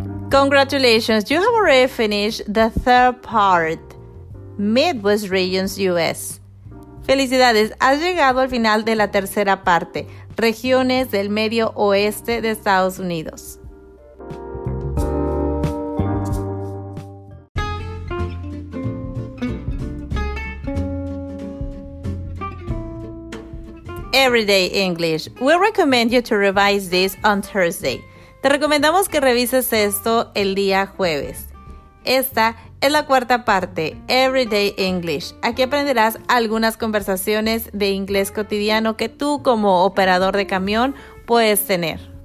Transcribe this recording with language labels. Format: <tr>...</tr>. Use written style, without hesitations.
<en>Congratulations, you have already finished the third part. Midwest Regions, U.S.</en> <es>Felicidades, has llegado al final de la tercera parte, regiones del medio oeste de Estados Unidos.</es> <en>Everyday English. We recommend you to revise this on Thursday.</en> <es>Te recomendamos que revises esto el día jueves. Esta es la cuarta parte, Everyday English. Aquí aprenderás algunas conversaciones de inglés cotidiano que tú como operador de camión puedes tener.</es>